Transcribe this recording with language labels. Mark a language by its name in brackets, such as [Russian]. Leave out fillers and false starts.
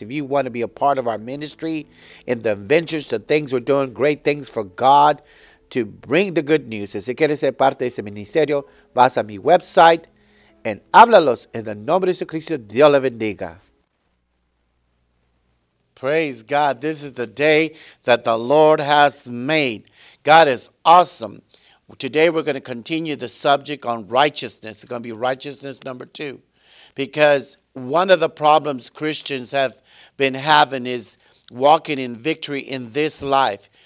[English] If you want to be a part of our ministry and the adventures, the things we're doing, great things for God to bring the good news. [Spanish] Si quieres ser parte de ese ministerio, vas a mi website and háblalos en el nombre de Jesucristo. Dios le bendiga. [English] Praise God. This is the day that the Lord has made. God is awesome. Today we're going to continue the subject on righteousness. It's going to be righteousness number two. Because one of the problems Christians have been having is walking in victory in this life.